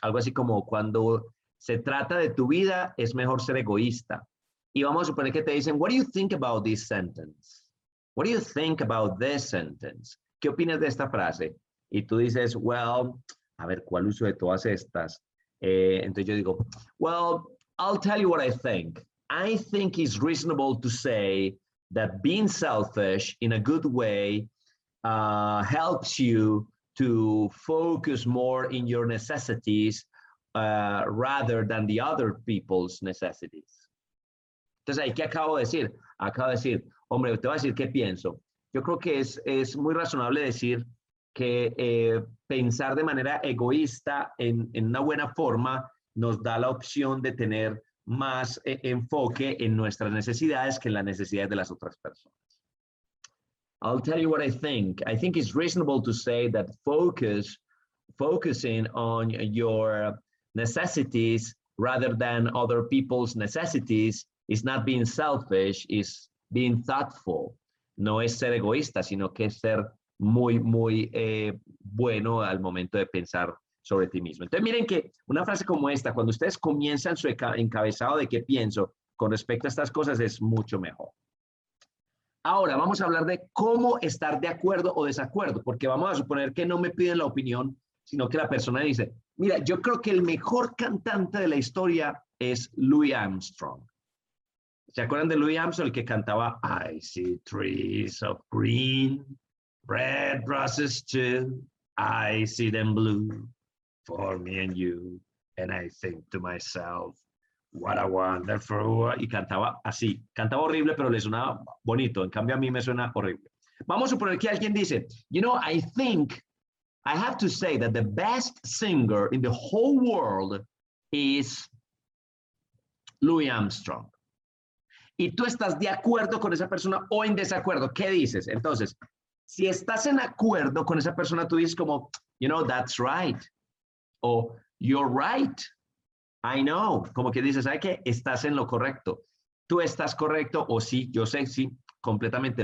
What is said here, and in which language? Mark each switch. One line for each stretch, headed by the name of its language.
Spanish: Algo así como, cuando se trata de tu vida, es mejor ser egoísta. Y vamos a suponer que te dicen,
English: what do you think about this sentence? What do you think about this sentence?
Spanish: ¿Qué opinas de esta frase? Y tú dices, well, a ver, ¿cuál uso de todas estas? Entonces yo digo,
English: well, I'll tell you what I think. I think it's reasonable to say that being selfish in a good way helps you to focus more in your necessities rather than the other people's necessities.
Spanish: Entonces, ¿qué acabo de decir? Acabo de decir, hombre, te voy a decir qué pienso. Yo creo que es muy razonable decir que pensar de manera egoísta en una buena forma nos da la opción de tener más enfoque en nuestras necesidades que en las necesidades de las otras personas.
English: I'll tell you what I think. I think it's reasonable to say that focusing on your necessities rather than other people's necessities is not being selfish, is being thoughtful.
Spanish: No es ser egoísta, sino que es ser muy, muy bueno al momento de pensar sobre ti mismo. Entonces, miren que una frase como esta, cuando ustedes comienzan su encabezado de qué pienso con respecto a estas cosas, es mucho mejor. Ahora, vamos a hablar de cómo estar de acuerdo o desacuerdo, porque vamos a suponer que no me piden la opinión, sino que la persona dice, mira, yo creo que el mejor cantante de la historia es Louis Armstrong. ¿Se acuerdan de Louis Armstrong, el que cantaba
English: I see trees of green, red roses too, I see them blue for me and you, and I think to myself, what a wonderful world.
Spanish: Y cantaba así, cantaba horrible, pero le sonaba bonito. En cambio, a mí me suena horrible. Vamos a suponer que alguien dice,
English: you know, I think I have to say that the best singer in the whole world is Louis Armstrong.
Spanish: Y tú estás de acuerdo con esa persona o en desacuerdo. ¿Qué dices? Entonces, si estás en acuerdo con esa persona, tú dices como,
English: you know, that's right.
Spanish: O,
English: you're right. I know.
Spanish: Como que dices, ¿sabes qué? Estás en lo correcto. Tú estás correcto. O sí, yo sé, sí, completamente.